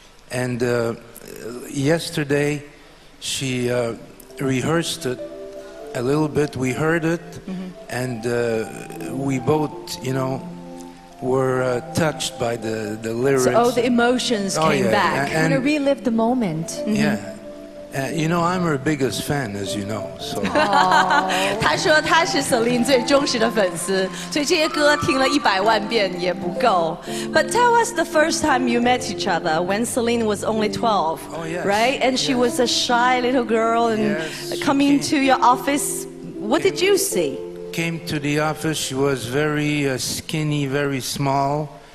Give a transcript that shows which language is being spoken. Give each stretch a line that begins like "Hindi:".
English: And yesterday, she rehearsed it a little bit. We heard it, mm-hmm. and we both, you know, were touched by the lyrics. So all the emotions came back. And you want to relive the moment. Mm-hmm. Yeah. You know, I'm her biggest fan, as you know. So.
Chinese: 他说他是 Céline 最忠实的粉丝，所以这些歌听了一百万遍也不够.
English: But tell us the first time you met each other when Céline was only 12. Oh yes. Right, and she was a shy little girl, and yes, coming to your office. What did you see? Came to the office. She was very skinny, very small.